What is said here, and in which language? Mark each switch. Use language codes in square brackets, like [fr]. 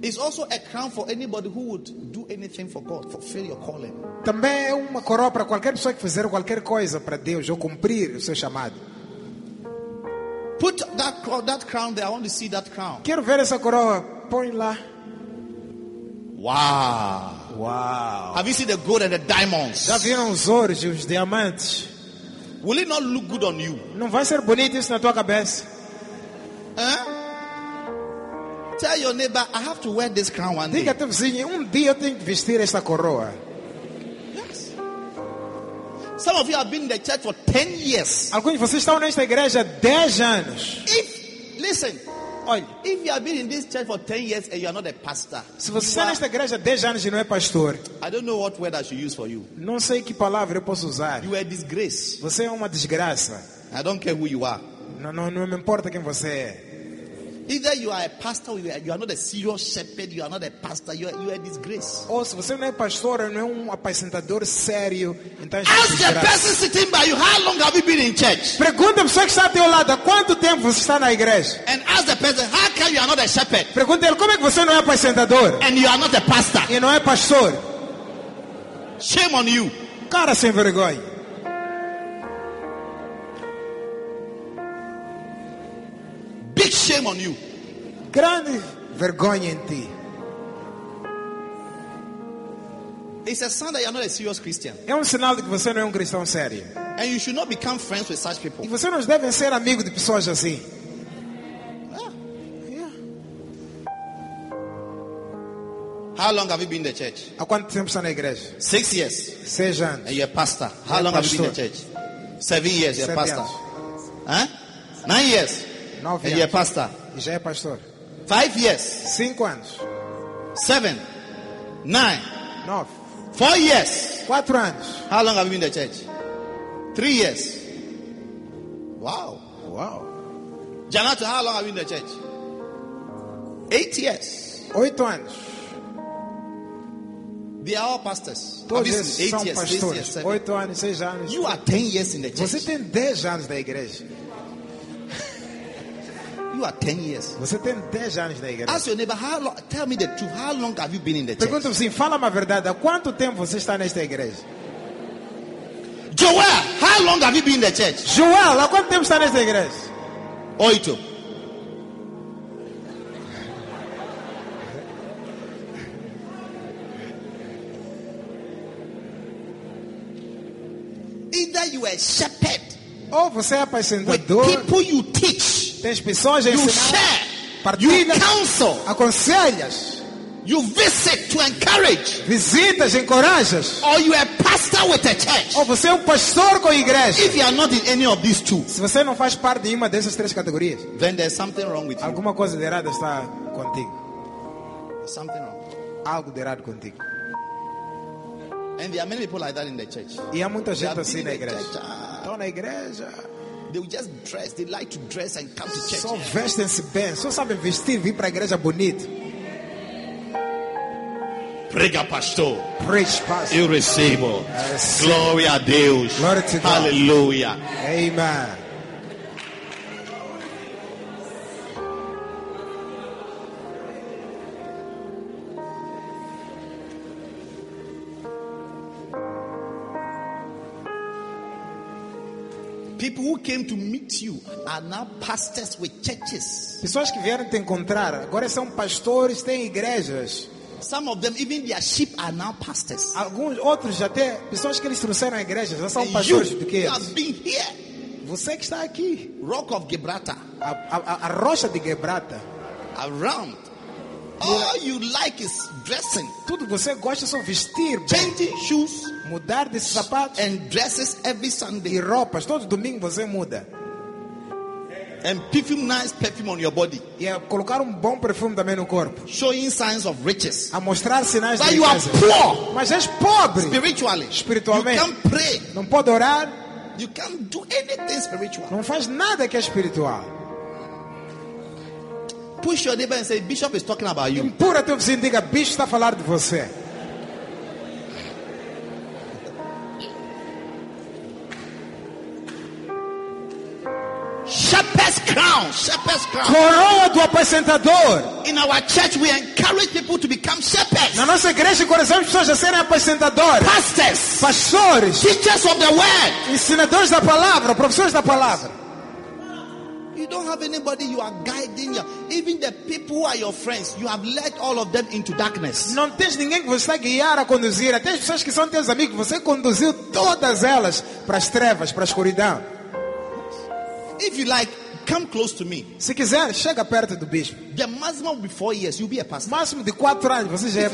[en] It's also a crown for anybody who would do anything for God, fulfill your calling. [pt] Também é uma coroa para qualquer pessoa que fizer qualquer coisa para Deus ou cumprir o seu chamado. [en] Put that crown there. I want to see that crown. [pt] Quero ver essa coroa. Põe lá. Wow, wow. [en] Have you seen the gold and the diamonds? [pt] Já viram os ouros e os diamantes? [en] Will it not look good on you? [pt] Não vai ser bonito isso na tua cabeça? Huh? [en] Tell your neighbor, I have to wear this crown one [pt] diga [en] day. [pt] Vizinho, dia eu tenho que vestir esta coroa. [en] Yes. Some of you have been in the church for 10 years. [pt] Alguns de vocês estão nesta igreja 10 anos. [en] If, listen, [pt] olha, [en] if you have been in this church for 10 years and you are not a pastor. [pt] Se você está nesta igreja 10 anos e não é pastor. [en] I don't know what word I should use for you. [pt] Não sei que palavra eu posso usar. [en] You are a disgrace. [pt] Você é uma desgraça. [en] I don't care who you are. [pt] Não me importa quem você é. [en] Either you are a pastor, you are not a serious shepherd, you are not a pastor, you are a disgrace. [pt] Ou se você não é pastor, não é apacentador sério, então [en] ask the person sitting by you, how long have you been in church? [pt] Pergunta a pessoa que está ao teu lado, há quanto tempo você está na igreja? [en] And ask the person, how come you are not a shepherd? [pt] Pergunta ele, como é que você não é apacentador? [en] And you are not a pastor. [pt] E não é pastor. [en] Shame on you. [pt] Cara sem vergonha. [en] Shame on you. [pt] Grande vergonha em ti. [en] It's a sign that you are not a serious Christian. [pt] É sinal de que você não é cristão sério. [en] And you should not become friends with such people. [pt] E você não deve ser amigo de pessoas assim. [en] How long have you been in the church? [pt] Há quanto tempo está na igreja? [en] 6 years. [pt] 6 anos. [en] And you're a pastor. How long have you been in the church? 7 years, you're a pastor. Huh? 9 years. [pt] Nove [en] and you're a pastor. [pt] E já é pastor. [en] 5 years. [pt] 5 anos. 7. 9. 9. [en] 4 years. [pt] 4 anos. [en] How long have you been in the church? 3 years. Wow. Wow. Janato, how long have you been in the church? 8 years. [pt] 8 anos. [en] They are all pastors. [pt] Todos eles são [en] years, [pt] pastores. 8 anos, 6 anos. [en] You are 10 years in the church. [pt] Você tem 10 anos na igreja. [en] You are 10 years. [pt] Você tem 10 anos na igreja. [en] Ask your neighbor, how long, tell me the truth. How long have you been in the church? [pt] Pergunta-me assim, fala-me a verdade. Há quanto tempo você está nesta igreja? [en] Joel, how long have you been in the church? [pt] Joel, há quanto tempo está nesta igreja? 8. [en] Either you are a shepherd. [pt] Ou você é apacentador. [en] With people you teach. [pt] Tens pessoas a ensinar, [en] you share, [pt] partilhas, [en] you counsel, [pt] aconselhas, [en] you visit to encourage, [pt] visitas, encorajas, [en] or you are a pastor with a church. [pt] Ou você é pastor com a igreja. [en] If you are not in any of these two, [pt] se você não faz parte de uma dessas três categorias, [en] then there's something wrong with [pt] alguma [en] you. [pt] Coisa de errada está contigo. [en] There's something wrong. [pt] Algo de errado contigo. [en] And there are many people like that in the church. [pt] E há muita gente assim na igreja. Estão na igreja. [en] They will just dress. They like to dress and come to church. [pt] Só vestem-se bem. Só sabem vestir, vir para a igreja bonito. Prega, pastor. [en] Preach, pastor. [pt] Eu recebo. Glória a Deus. Glória a Deus. Aleluia. [en] Amen. People who came to meet you are now pastors with churches. [pt] Pessoas que vieram te encontrar agora são pastores, têm igrejas. [en] Some of them, even their sheep, are now pastors. [pt] Alguns outros até pessoas que eles trouxeram à igreja já são pastores. [en] You, [pt] do que [en] you have been here. [pt] Você que está aqui. [en] Rock of Gibraltar. [pt] A rocha de Gibraltar. [en] Around. Yeah. All you like is dressing. [pt] Tudo você gosta só vestir. [en] Changing shoes. [pt] Mudar de sapatos. [en] And dresses every Sunday. [pt] E roupas todo domingo você muda. [en] And perfume, nice perfume on your body. [pt] Yeah, colocar bom perfume também no corpo. [en] Showing signs of riches. [pt] A mostrar sinais [en] but [pt] de [en] you [pt] riqueza. [en] Are poor. [pt] Mas és pobre. [en] Spiritually. [pt] Espiritualmente. [en] You can't pray. [pt] Não pode orar. [en] You can't do anything spiritual. [pt] Não faz nada que é espiritual. [en] Push your neighbor and say, Bishop is talking about you. [pt] Empurra teu vizinho, diga, bicho está a falar de você. [en] Shepherd's crown, shepherd's crown. [pt] Coroa do apacentador. [en] In our church, we encourage people to become shepherds. [pt] Na nossa igreja, encorajamos pessoas a serem apacentadores. [en] Pastors, [pt] pastores. [en] Teachers of the word, [pt] ensinadores da palavra, professores da palavra. [en] You don't have anybody you are guiding. Even the people who are your friends, you have led all of them into darkness. [pt] Não tens ninguém que você guiar a conduzir. Até as pessoas que são teus amigos, você conduziu todas elas para as trevas, para a escuridão. [en] If you like, come close to me. [pt] Se quiser, chega perto do bispo. [en] The maximum will be 4 years. You'll be a pastor. [pt] Máximo de 4 anos, você já [en] if